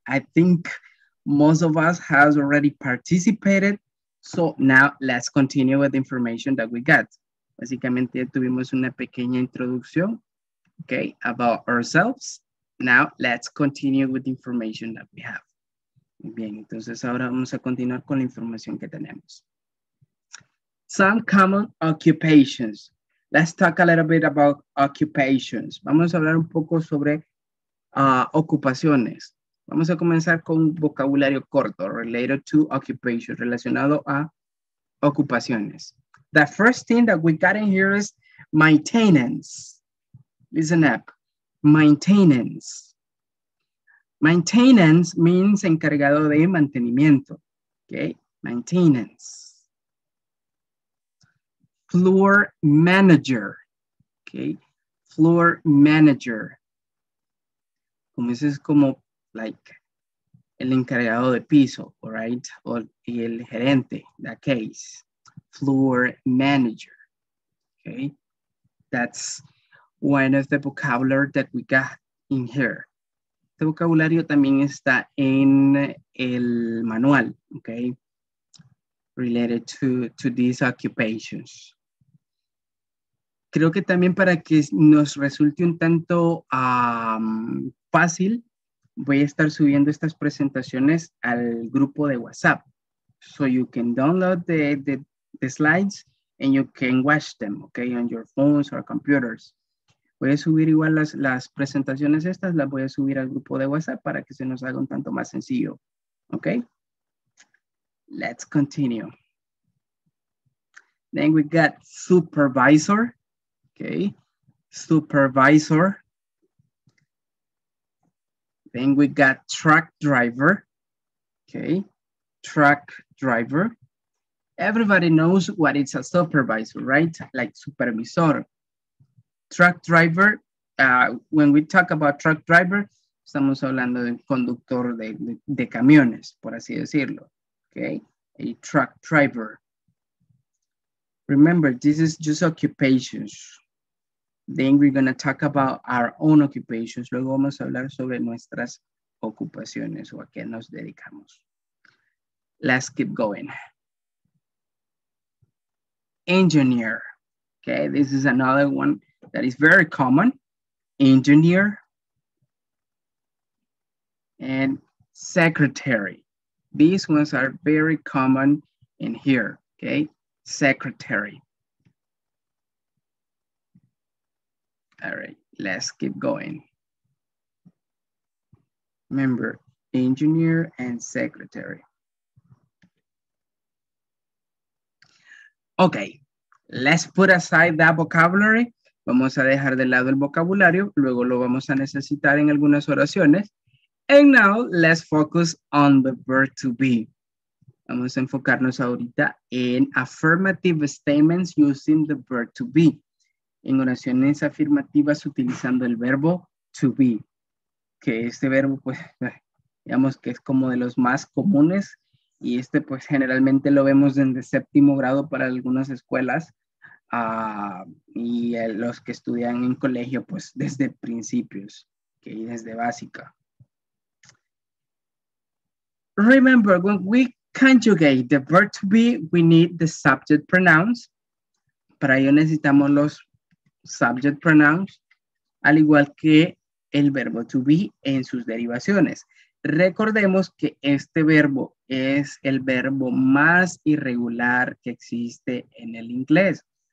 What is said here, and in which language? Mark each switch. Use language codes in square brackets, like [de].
[en] I think most of us has already participated. So now let's continue with the information that we got. [es] Básicamente tuvimos una pequeña introducción, [en] okay, about ourselves. Now, let's continue with the information that we have. [es] Muy bien, entonces ahora vamos a continuar con la información que tenemos. [en] Some common occupations. Let's talk a little bit about occupations. [es] Vamos a hablar un poco sobre ocupaciones. Vamos a comenzar con un vocabulario corto, [en] related to occupations, [es] relacionado a ocupaciones. [en] The first thing that we got in here is maintenance. Listen up. Maintenance. Maintenance means [es] encargado de mantenimiento. [en] Okay, maintenance. Floor manager. Okay, floor manager. [es] Como ese es como, like, el encargado de piso, [en] all right? [es] O el gerente, that case. Floor manager. [en] Okay, that's one of the vocabulary that we got in here. [es] Este vocabulario también está en el manual, okay? [en] Related to these occupations. [es] Creo que también para que nos resulte un tanto fácil, voy a estar subiendo estas presentaciones al grupo de WhatsApp. [en] So you can download the slides and you can watch them, okay? On your phones or computers. [es] Voy a subir igual las presentaciones estas, las voy a subir al grupo de WhatsApp para que se nos haga un tanto más sencillo, ¿ok? [en] Let's continue. Then we got supervisor, ¿ok? Supervisor. Then we got truck driver, ¿ok? Truck driver. Everybody knows what it's a supervisor, right? Like supervisor. Truck driver, when we talk about truck driver, [es] estamos hablando de conductor de camiones, por así decirlo, okay? [en] A truck driver. Remember, this is just occupations. Then we're going to talk about our own occupations. [es] Luego vamos a hablar sobre nuestras ocupaciones o a qué nos dedicamos. [en] Let's keep going. Engineer, okay? This is another one. That is very common, engineer and secretary. These ones are very common in here, okay? Secretary. All right, let's keep going. Remember, engineer and secretary. Okay, let's put aside that vocabulary. [es] Vamos a dejar de lado el vocabulario, luego lo vamos a necesitar en algunas oraciones. [en] And now, let's focus on the verb to be. [es] Vamos a enfocarnos ahorita en [en] affirmative statements using the verb to be. [es] en oraciones afirmativas utilizando el verbo to be, que este verbo, pues, digamos que es como de los más comunes, y este, pues, generalmente lo vemos desde séptimo grado para algunas escuelas, y los que estudian en colegio, pues, desde principios, que okay, desde básica. [en] Remember, when we conjugate the verb to be, we need the subject pronouns. [es] Para ello necesitamos los subject pronouns, al igual que el verbo to be en sus derivaciones. Recordemos que este verbo es el verbo más irregular que existe en el inglés.